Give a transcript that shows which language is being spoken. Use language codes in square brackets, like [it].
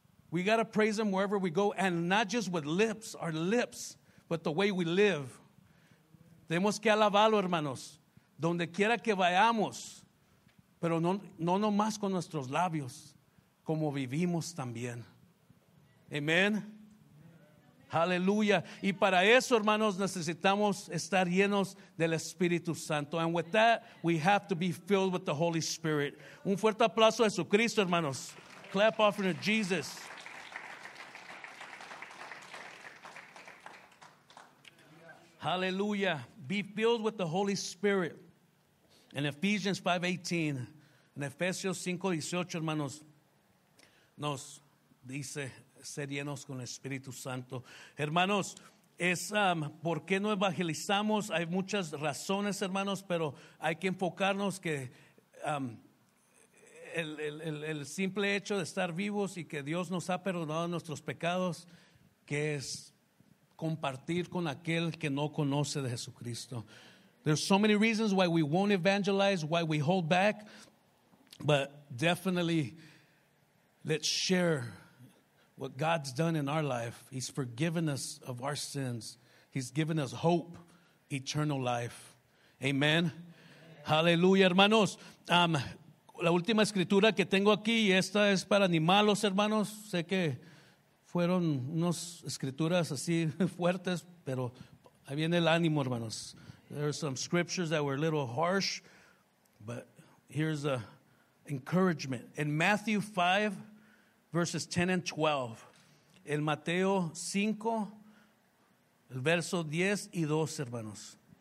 [en] We got to praise him wherever we go. And not just with lips, our lips, but the way we live. [es] Tenemos que alabarlo, hermanos. Donde quiera que vayamos. Pero no nomás con nuestros labios. Como vivimos también. Amén. Aleluya. Y para eso, hermanos, necesitamos estar llenos del Espíritu Santo. [en] And with that, we have to be filled with the Holy Spirit. [es] Un fuerte aplauso a Jesucristo, hermanos. [en] Clap offering to Jesus. [es] Aleluya. [en] Be filled with the Holy Spirit. In Ephesians 5:18, [es] en Efesios 5:18, hermanos, nos dice ser llenos con el Espíritu Santo. Hermanos, ¿por qué no evangelizamos? Hay muchas razones, hermanos, pero hay que enfocarnos que el simple hecho de estar vivos y que Dios nos ha perdonado nuestros pecados, que es compartir con aquel que no conoce de Jesucristo. [en] There's so many reasons why we won't evangelize, why we hold back, but definitely let's share what God's done in our life. He's forgiven us of our sins. He's given us hope, eternal life. Amen. Hallelujah, hermanos. [es] La última escritura que tengo aquí, y esta es para animarlos, hermanos. Sé que fueron unas escrituras así fuertes, pero ahí viene el ánimo, hermanos. [en] There are some scriptures that were a little harsh, but here's a encouragement. In Matthew 5, verses 10 and 12. [es] En Mateo 5, el verso 10 y 12, hermanos.